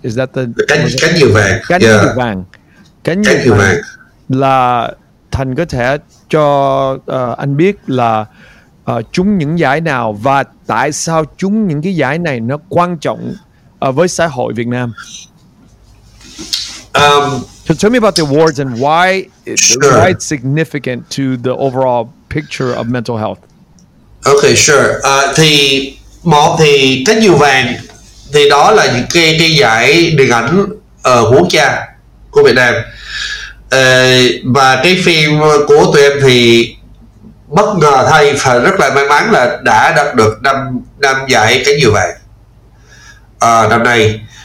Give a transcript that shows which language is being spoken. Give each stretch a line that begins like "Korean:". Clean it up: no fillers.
English: Is that the
Vietnamese: cánh diều vàng? Cánh diều vàng là Thành có thể cho anh biết là chúng những giải nào và tại sao chúng những cái giải này nó quan trọng với xã hội Việt Nam.
English: So tell me about the awards and why it's significant to the overall picture of mental health. Okay, sure.
Vietnamese: Thì một thì cánh diều vàng thì đó là những cái giải điện ảnh quốc gia của Việt Nam. Và cái phim của tụi em thì bất ngờ thay và rất là may mắn là đã đạt được năm giải cánh diều vàng năm nay.